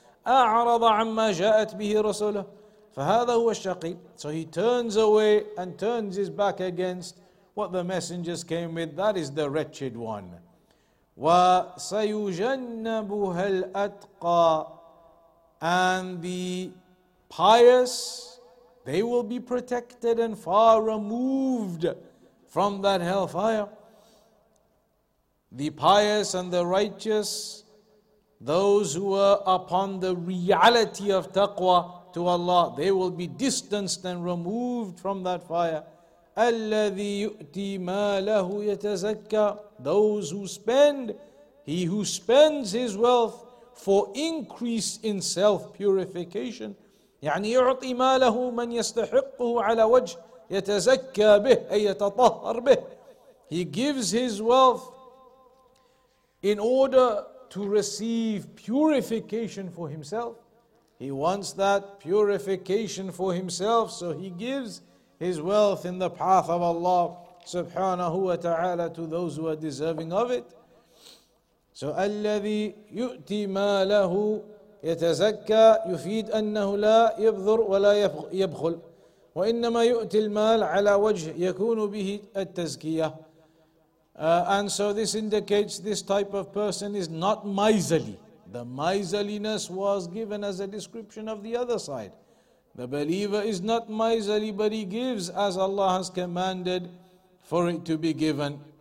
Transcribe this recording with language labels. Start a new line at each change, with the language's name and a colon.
Arabic: أعرض عما جاءت به رسوله فهذا هو الشقي.
English: So he turns away and turns his back against what the messengers came with. That is the wretched one. وَسَيُجَنَّبُهَا الْأَتْقَى. And the pious, they will be protected and far removed from that hellfire. The pious and the righteous, those who are upon the reality of taqwa to Allah, they will be distanced and removed from that fire.
Arabic: الَّذِي يُؤْتِي مَا لَهُ يَتَزَكَّى.
English: Those who spend, he who spends his wealth for increase in self-purification.
Arabic: يعني يعطي ما له من يستحقه على وجه يتزكى به أي يتطهر به.
English: He gives his wealth in order to receive purification for himself. He wants that purification for himself, so he gives his wealth in the path of Allah subhanahu wa ta'ala to those who are deserving of it.
Arabic: So الذي يؤتي ما له يتزكى يفيد أنه لا يبذر ولا يبخل وإنما يؤتي المال على وجه يكون به التزكية.
English: And so this indicates this type of person is not miserly. The miserliness was given as a description of the other side. The believer is not miserly, but he gives as Allah has commanded for it to be given.